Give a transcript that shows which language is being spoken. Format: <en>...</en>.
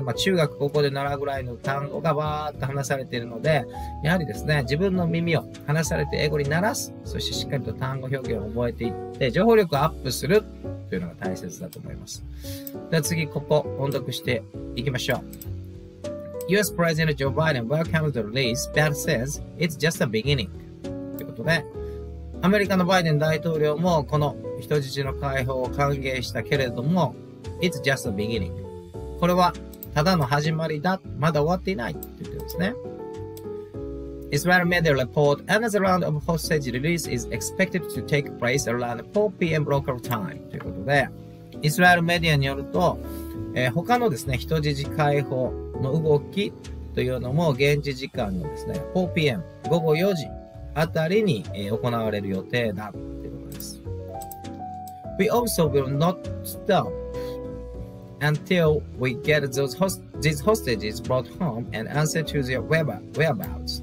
<ja>まあ中学、高校で習うぐらいの単語がわーっと話されているので、やはりですね、自分の耳を話されて英語に慣らす、そしてしっかりと単語表現を覚えていって、情報力をアップするというのが大切だと思います。では次、ここ、音読していきましょう。</ja> <en>US President Joe Biden welcomed the release, but says it's just a beginning.</en> <ja>ということで、アメリカのバイデン大統領もこの人質の解放を歓迎したけれども、</ja> <en>It's just a beginning.</en> <ja>これはただの始まりだ。まだ終わっていないって言ってるんですね。</ja> <en>Israel media report another round of hostage release is expected to take place around 4 p.m. local time.</en> <ja>ということで、イスラエルメディアによると、他のですね、人質解放の動きというのも現地時間のですね、4 p.m. 午後4時あたりに行われる予定だということです。</ja> <en>We also will not stop. Until we get those these hostages brought home and answer to their whereabouts.</en>